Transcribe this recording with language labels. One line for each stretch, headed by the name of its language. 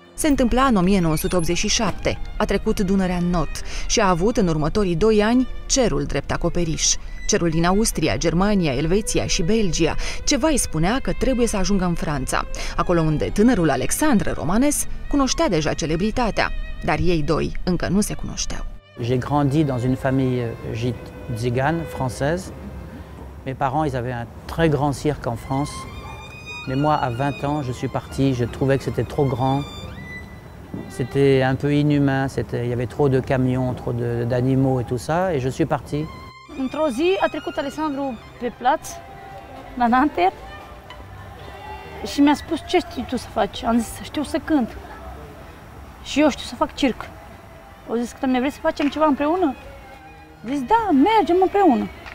Romanian: Se întâmpla în 1987, a trecut Dunărea în not și a avut în următorii 2 ani cerul drept acoperiș. Cerul din Austria, Germania, Elveția și Belgia. Ceva îi spunea că trebuie să ajungă în Franța, acolo unde tânărul Alexandre Romanes cunoștea deja celebritatea, dar ei doi încă nu se cunoșteau.
French: J'ai grandi dans une famille gite zigane française. Mes parents, ils avaient un très grand cirque en France. Mais moi à 20 ans, je suis parti, je trouvais que c'était trop grand. C'était un peu inhumain, il y avait trop de camions, trop d'animaux et tout ça, et je suis parti.
Romanian: Într-o zi a trecut Alexandru pe plaț, la Nanterre, și mi-a spus ce știi tu să faci. Am zis, știu să cânt. Și eu știu să fac circ. Au zis, că mi-a vrut să facem ceva împreună? Zis, da, mergem împreună.